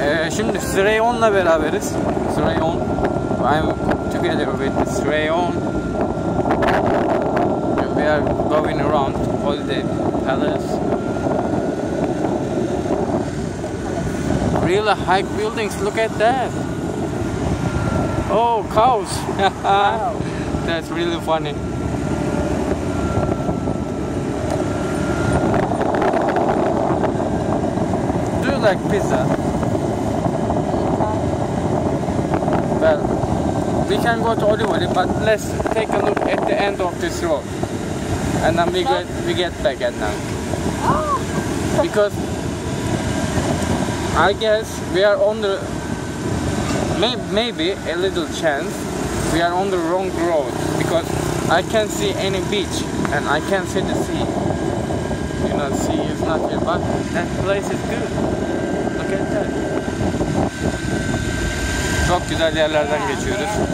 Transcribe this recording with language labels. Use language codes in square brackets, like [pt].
[tr] Şimdi Srein Om'la beraberiz. Srein Om. [en] I'm together with Srein Om. And we are going around Holiday Palace. Really high buildings. Look at that. Oh, cows. Wow. That's really funny. Like pizza. Well, we can go to Olivoli, but let's take a look at the end of this road, and then we get back at night. Because I guess we are on the maybe a little chance we are on the wrong road, because I can't see any beach and I can't see the sea. You know, sea is not here, but that place is good. [tr] Çok güzel yerlerden geçiyoruz.